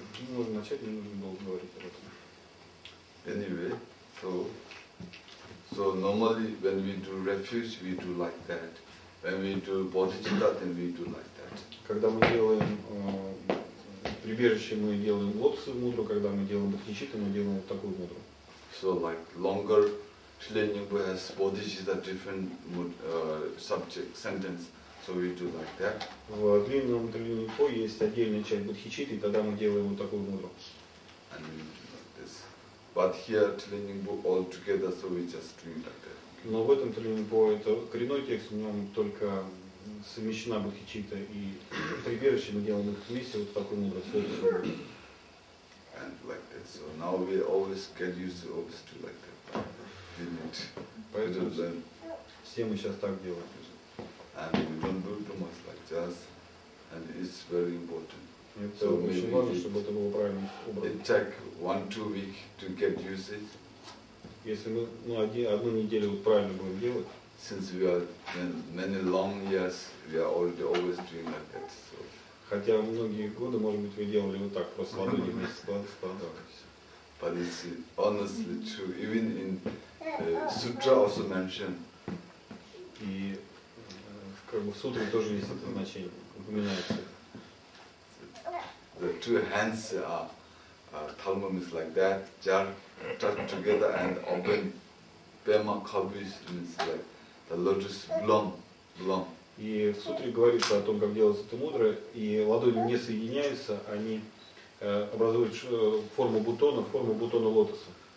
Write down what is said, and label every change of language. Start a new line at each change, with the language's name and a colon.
Russian: Нужно начать, не нужно было говорить об этом.
English: Anyway, so normally when we do refuge, we do like that. When we do bodhicitta, then we do like that.
Russian: Когда мы делаем прибежище, мы делаем лотосы мудру, когда мы делаем бодхичитту, мы делаем вот такую мудру.
English: So like longer training has bodhicitta different subject sentence. So we do like that.
Russian: В длинном тренинге есть отдельная часть бодхичитты, и тогда мы делаем вот такую мудру.
English: And we do like this. But here tilling book all together, so we just doing like that.
Russian: Но в этом тренинге это коренной текст, в нем только совмещена бодхичитта и прибежище, мы делаем их вместе вот такую мудру.
English: And like that. So now we always get used to always do like that.
Russian: Поэтому все мы сейчас так делаем.
English: And we don't do too much like just, and it's very important.
Russian: So очень важно, чтобы это было правильным образом.
English: It take 1-2 weeks to get used it.
Russian: Если мы одну неделю правильно будем делать.
English: Since we are many long years, we are already always doing like that. So.
Russian: Хотя многие годы, может быть, вы делали вот так просто одну неделю складывались.
English: But it's honestly true. Even in sutra also mentioned.
Russian: И как бы в сутре тоже есть это значение, упоминается.
English: The two hands are thumb is like that, jar touch together and open. Pema kabis means like the lotus bloom.
Russian: И в сутре говорится о том, как делается эта мудра, и ладони не соединяются, они образуют форму бутона, лотоса.